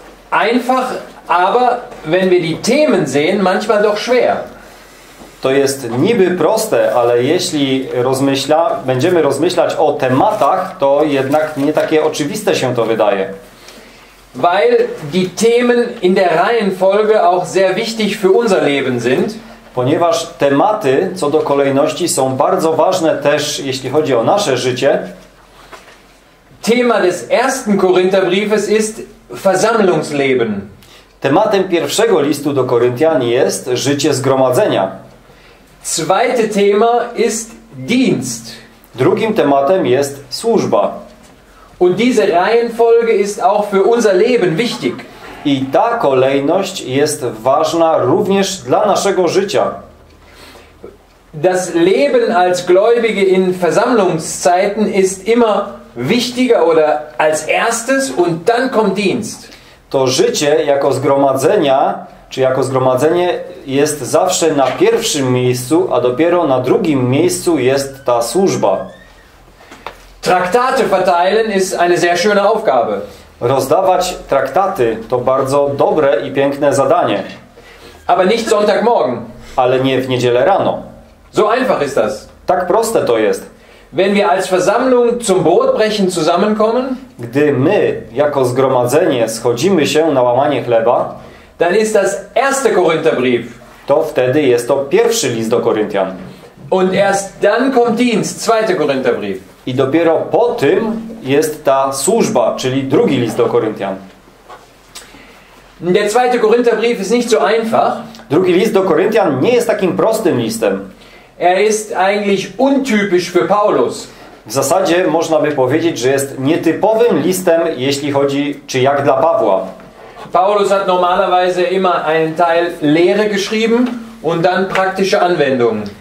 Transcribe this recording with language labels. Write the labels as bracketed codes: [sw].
[de] Einfach, aber wenn wir die Themen sehen, manchmal doch schwer. [pl] To jest niby proste, ale jeśli będziemy rozmyślać o tematach, to jednak nie takie oczywiste się to wydaje. [de] Weil die Themen in der Reihenfolge auch sehr wichtig für unser Leben sind. [pl] Ponieważ tematy co do kolejności są bardzo ważne też, jeśli chodzi o nasze życie. [de] Thema des ersten Korintherbriefes ist Versammlungsleben. [pl] Tematem pierwszego listu do Koryntian jest życie zgromadzenia. [de] Zweite Thema ist Dienst. [pl] Drugim tematem jest służba. [de] Und diese Reihenfolge ist auch für unser Leben wichtig. [pl] I ta kolejność jest ważna również dla naszego życia. [de] Das Leben als Gläubige in Versammlungszeiten ist immer wichtiger oder als erstes und dann kommt Dienst. [pl] To życie jako zgromadzenia, czy jako zgromadzenie, jest zawsze na pierwszym miejscu, a dopiero na drugim miejscu jest ta służba. [de] Traktate verteilen ist eine sehr schöne Aufgabe. [pl] Rozdawać traktaty to bardzo dobre i piękne zadanie. [de] Aber nicht Sonntagmorgen. [pl] ale nie w niedzielę rano. [de] So einfach ist das. [pl] Tak proste to jest. [de] Wenn wir als Versammlung zum Brotbrechen zusammenkommen, [pl] gdy my jako zgromadzenie schodzimy się na łamanie chleba, [de] dann ist das erste Korintherbrief. [pl] To wtedy jest to pierwszy list do Koryntian. [de] Und erst dann kommt Dienst, zweite Korintherbrief. [pl] I dopiero po tym jest ta służba, czyli drugi list do Koryntian. [de] Der zweite Korintherbrief ist nicht so einfach. [pl] Drugi list do Koryntian nie jest takim prostym listem. [de] Er ist eigentlich untypisch für Paulus. [pl] W zasadzie można by powiedzieć, że jest nietypowym listem, jeśli chodzi, czy jak dla Pawła. [de] Paulus hat normalerweise immer einen Teil Lehre geschrieben und dann praktische Anwendung.